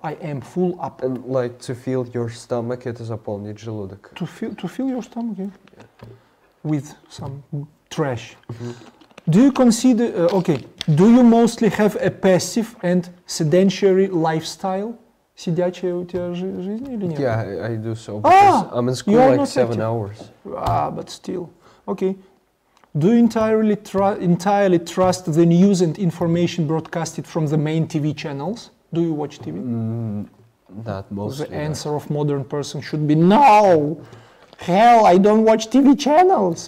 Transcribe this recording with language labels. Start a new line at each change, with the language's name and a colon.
English: I am full up. And like to feel your stomach,
Russian: это заполнить желудок.
English: To feel your stomach, yeah. With some trash. Do you consider, do you mostly have a passive and sedentary lifestyle?
Russian: Сидячая у тебя жизнь или нет?
English: Yeah, I do so, because I'm in school like 7 hours. But still. Okay. Do you entirely trust the news and information broadcasted from the main TV channels? Do you watch TV? Not mostly. The answer of modern person should be no! Hell, I don't watch TV channels.